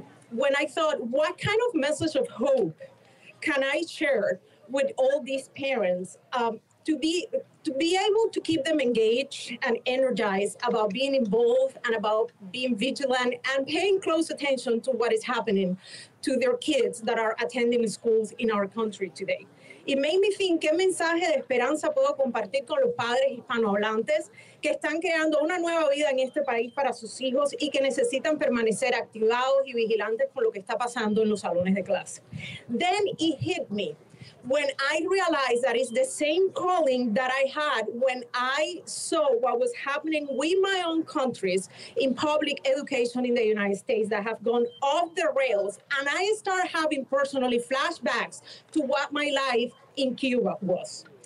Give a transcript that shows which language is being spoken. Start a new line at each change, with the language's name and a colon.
English: When I thought, what kind of message of hope can I share with all these parents to be able to keep them engaged and energized about being involved and about being vigilant and paying close attention to what is happening to their kids that are attending schools in our country today. It made me think,
Spanish: ¿qué mensaje de esperanza puedo compartir con los padres hispanohablantes que están creando una nueva vida en este país para sus hijos y que necesitan permanecer activados y vigilantes con lo que está pasando en los salones de clase?
English: Then it hit me. When I realized that it's the same calling that I had when I saw what was happening with my own countries in public education in the United States that have gone off the rails, and I start having personally flashbacks to what my life in Cuba was.